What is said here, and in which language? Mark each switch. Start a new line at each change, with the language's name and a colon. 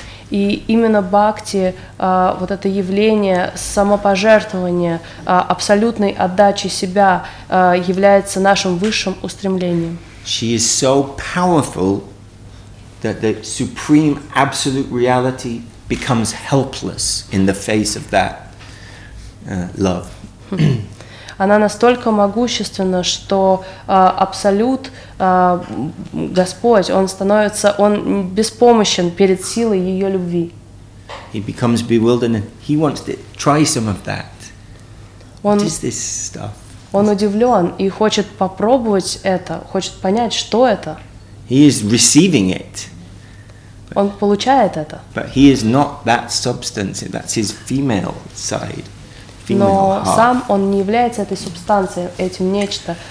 Russian: И именно бхакти, вот это явление самопожертвования, абсолютной отдачи себя, является нашим высшим устремлением.
English: She is so powerful that the supreme absolute reality becomes helpless in the face of that love.
Russian: Она настолько могущественна, что абсолют, Господь, он беспомощен перед силой ее любви.
English: He becomes bewildered and he wants to try some of that. What is this stuff?
Russian: Он удивлен и хочет попробовать это, хочет понять, что это.
English: He is receiving it.
Russian: Он получает это.
English: But he is not that substance. That's his female side.
Russian: Но сам он не является этой субстанцией, этим нечто.